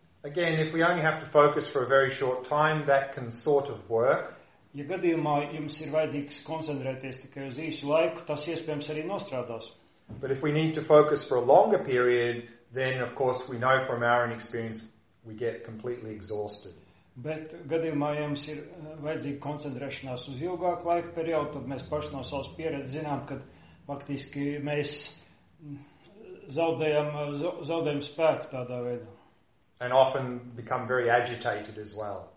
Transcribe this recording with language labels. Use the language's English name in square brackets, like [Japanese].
[English] Again, if we only have to focus for a very short time, that can sort of work. [Latvian] Ja gadījumā jums ir vajadzīgs koncentrēties tikai uz īsu laiku, tas iespējams arī nostrādās. [English] But if we need to focus for a longer period, then of course we know from our own experience we get completely exhausted. [Latvian] Bet gadījumā jums ir vajadzīga koncentrēšanās uz ilgāku laiku periodu, tad mēs paši no savas pieredzes zinām, ka faktiski mēs zaudējam spēku tādā veidā. [English] And often become very agitated as well.